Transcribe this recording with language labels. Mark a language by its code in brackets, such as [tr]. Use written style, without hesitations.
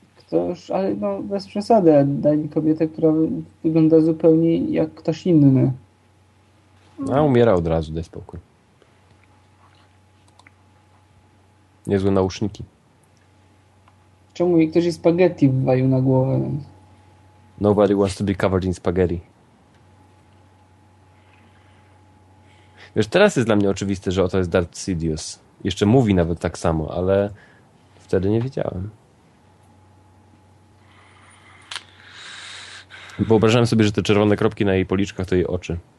[pl] Toż, ale no, bez przesady, daj mi kobietę, która wygląda zupełnie jak ktoś inny. A umiera od razu, daj spokój. Niezłe nauszniki. Czemu mi ktoś spaghetti wywalił na głowę? [en] Nobody wants to be covered in spaghetti. [pl] Wiesz, teraz jest dla mnie oczywiste, że oto jest Darth Sidious. Jeszcze mówi nawet tak samo, ale wtedy nie widziałem. Wyobrażałem sobie, że te czerwone kropki na jej policzkach to jej oczy.